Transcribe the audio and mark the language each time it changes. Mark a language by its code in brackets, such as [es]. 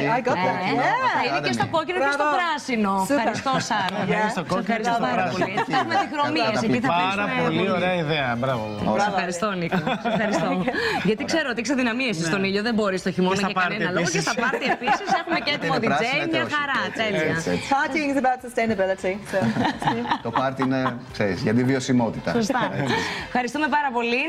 [el] Είναι και στο κόκκινο και στο πράσινο. Ευχαριστώ, Σάρων. Ευχαριστώ, κόκκινο και στο πράσινο. Έχουμε τη χρωμία εκεί. Πάρα πολύ ωραία ιδέα. Μπράβο. Ευχαριστώ, Νίκο. Γιατί ξέρω ότι έχει αδυναμίε στον ήλιο, δεν μπορεί το χειμώνα και κανένα λόγο. Και στα πάρτι επίση έχουμε και έτοιμο DJ. [en] Partying is about sustainability. [el] Το πάρτι είναι, ξέρεις, για τη βιωσιμότητα. Σωστά. Ευχαριστούμε πάρα πολύ.